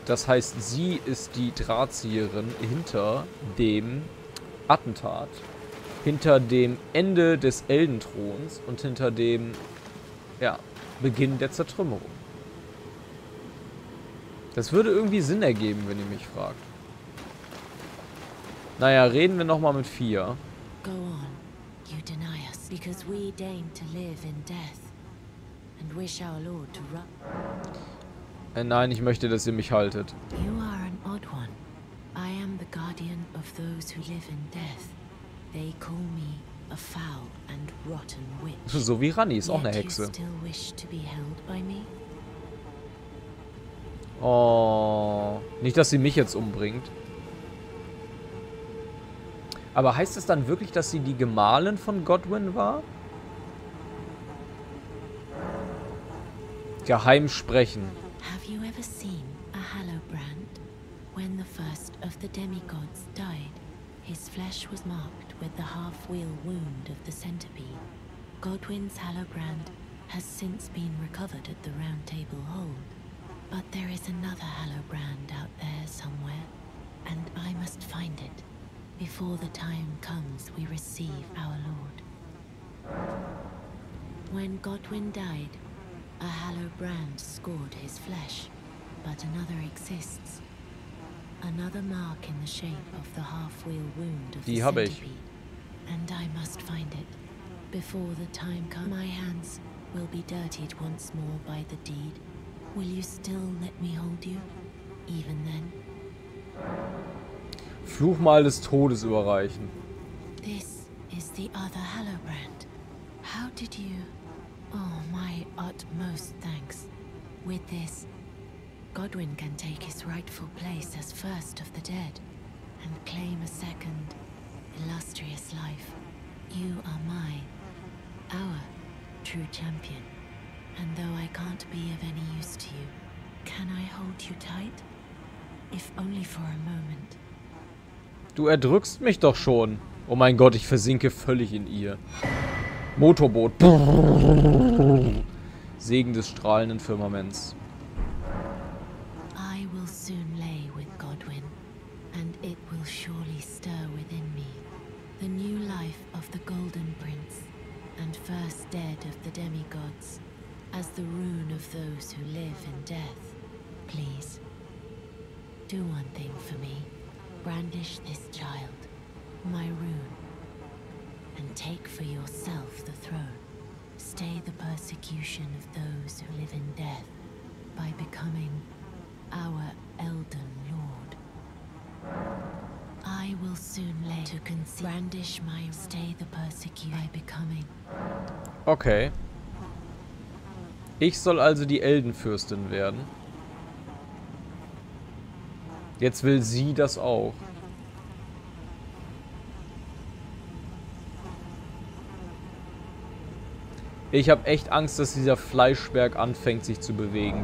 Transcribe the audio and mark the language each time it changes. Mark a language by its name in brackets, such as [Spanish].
[German] Das heißt, sie ist die Drahtzieherin hinter dem Attentat. Hinter dem Ende des Eldenthrons und hinter dem, ja, Beginn der Zertrümmerung. Das würde irgendwie Sinn ergeben, wenn ihr mich fragt. Naja, reden wir nochmal mit Fia. [English] Go on, you deny us, because we deign to live in death and wish our Lord to run. [German] Nein, ich möchte, dass ihr mich haltet. [English] You are an odd one. I am the guardian of those who live in death. They call me a foul and rotten witch. [German] So wie Rani, ist auch eine Hexe. [English] Yet you still wish to be held by me? [German] Oh, nicht, dass sie mich jetzt umbringt. Aber heißt es dann wirklich, dass sie die Gemahlin von Godwin war? Geheim sprechen. [English] Have you ever seen a Hallowbrand? When the first of the demigods died, His flesh was marked with the half-wheel wound of the centipede. Godwin's Hallobrand has since been recovered at the Round Table Hold. But there is another Hallobrand out there somewhere, and I must find it before the time comes we receive our Lord. When Godwin died, a Hallobrand scored his flesh, but another exists. Another mark in the shape of the half-wheel wound of [German] die [English] the centipede. [German] Ich. [English] And I must find it before the time comes. My hands will be dirtied once more by the deed. Will you still let me hold you, even then? [German] Fluchmal des Todes überreichen. [English] This is the other Hallobrand. How did you... Oh, my utmost thanks. With this, Godwin can take his rightful place as first of the dead and claim a second, illustrious life. You are my, our true champion. And though I can't be of any use to you, can I hold you tight? If only for a moment. [German] Du erdrückst mich doch schon. Oh mein Gott, ich versinke völlig in ihr. Motorboot. Segen des strahlenden Firmaments. [English] I will soon lay with Godwin, and it will surely stir within me. The new life of the Golden Prince, and first dead of the demigods, as the rune of those who live in death. Please, do one thing for me. Brandish this child, my rune, and take for yourself the throne. Stay the persecution of those who live in death by becoming our Elden Lord. I will soon lay to conceive. Brandish my stay the persecution by becoming. [German] Okay. Ich soll also die Eldenfürstin werden. Jetzt will sie das auch. Ich habe echt Angst, dass dieser Fleischberg anfängt, sich zu bewegen.